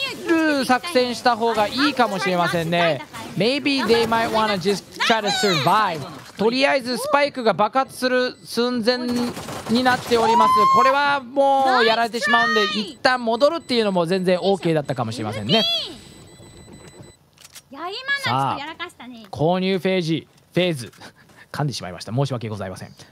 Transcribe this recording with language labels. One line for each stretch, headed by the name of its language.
Japanese: ル作戦した方がいいかもしれませんね。
English: Maybe they might wanna just try to survive。
Japanese: とりあえずスパイクが爆発する寸前になっております。これはもうやられてしまうんで一旦戻るっていうのも全然 OK だったかもしれませんね。さあ購入フェージ、フェーズ噛んでしまいました、申し訳ございません。